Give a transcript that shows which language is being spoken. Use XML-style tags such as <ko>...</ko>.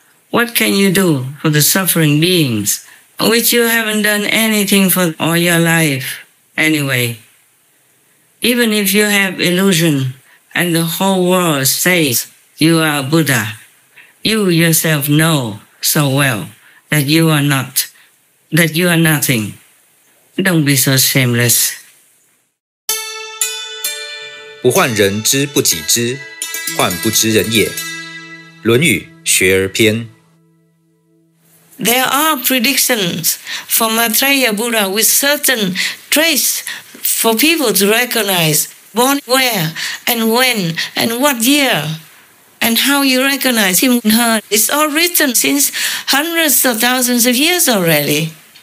<en>What can you do for the suffering beings, which you haven't done anything for all your life anyway? Even if you have illusion and the whole world says you are a Buddha, you yourself know so well that you are not, that you are nothing. Don't be so shameless.</en> <zh>不患人之不己知, 患不知人也, 论语, 学而篇。</zh> <en>There are predictions from Maitreya Buddha with certain traits for people to recognize, born where and when and what year, and how you recognize him and her. It's all written since hundreds of thousands of years already.</en>